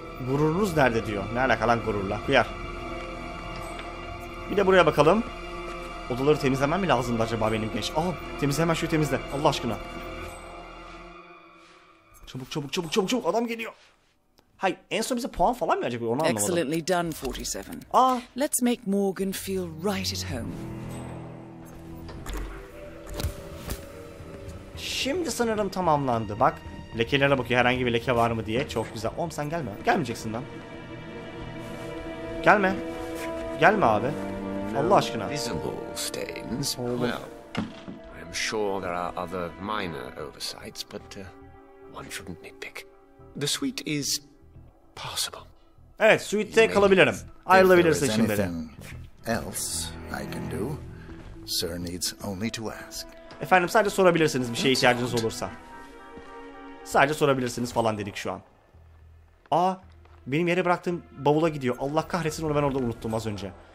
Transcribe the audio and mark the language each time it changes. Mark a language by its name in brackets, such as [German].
[Turkish] Gururunuz nerede diyor. Ne alaka lan gururla. Kıyar. Bir de buraya bakalım. Odaları temizlemem mi lazımdı acaba benim genç? Al, temizle hemen şu temizle. Allah aşkına. Çabuk, çabuk, çabuk, çabuk, çabuk. Adam geliyor. Hayır, en son bize puan falan mı verecek? Onu anlamadım. [English] Excellently done, 47. Aa. Let's make Morgan feel right at home. [Turkish] Şimdi sanırım tamamlandı. Bak, lekelere bakıyor. Herhangi bir leke var mı diye. Çok güzel. Oğlum sen gelme. Gelmeyeceksin lan. Gelme. Gelme abi. Allah aşkına. Oğlum. [English] Well, I'm sure there are other minor oversights, but one shouldn't nitpick. The suite is possible. [Turkish] Evet, suite'te kalabilirim. Ayrılabilirsin şimdi de. [English] Else I can do. Sir needs only to ask. [Turkish] Efendim sadece sorabilirsiniz bir şeye ihtiyacınız olursa. Sadece sorabilirsiniz falan dedik şu an. Aa, benim yere bıraktığım bavula gidiyor. Allah kahretsin onu ben orada unuttum az önce.